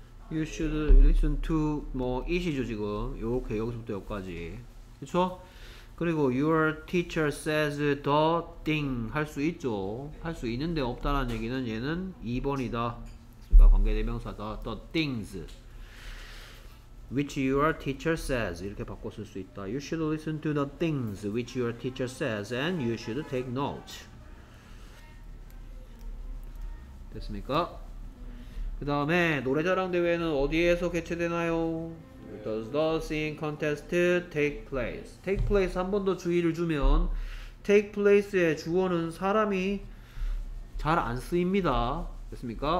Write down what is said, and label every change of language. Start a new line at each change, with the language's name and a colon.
English: You should listen to 뭐 it이죠 지금.
Korean: 이렇게 여기서부터 여기까지. 그쵸? 그리고
English: your teacher says the thing
Korean: 할 수 있죠. 할 수 있는데 없다라는 얘기는 얘는 2번이다. 그러니까 관계대명사다.
English: The things. Which your teacher says
Korean: 이렇게 바꿔 쓸 수 있다.
English: You should listen to the things which your teacher says and you should take notes.
Korean: 됐습니까? 그 다음에 노래 자랑 대회는 어디에서 개최되나요?
English: Does the singing contest take place?
Korean: Take place 한 번 더 주의를 주면 take place의 주어는 사람이 잘 안 쓰입니다. 됐습니까?